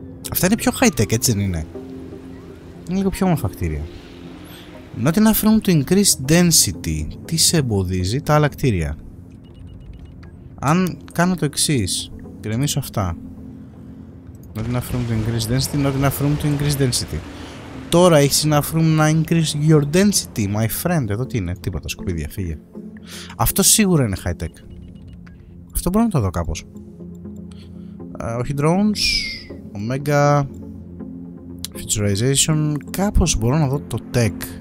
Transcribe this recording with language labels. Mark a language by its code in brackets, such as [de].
[el] Αυτά είναι πιο high tech, έτσι δεν είναι. Είναι λίγο πιο όμορφα κτίρια. [en] Not enough room to increase density. [el] Τι σε εμποδίζει, τα άλλα κτίρια. Αν κάνω το εξής, γκρεμίσω αυτά. [en] Not enough room to increase density, not enough room to increase density. Τώρα έχεις enough room να increase your density, my friend. [el] Εδώ τι είναι, τίποτα, σκουπίδια, φύγε. Αυτό σίγουρα είναι high tech. Αυτό μπορώ να το δω κάπως. Όχι drones, Omega, futurization, κάπως μπορώ να δω το tech.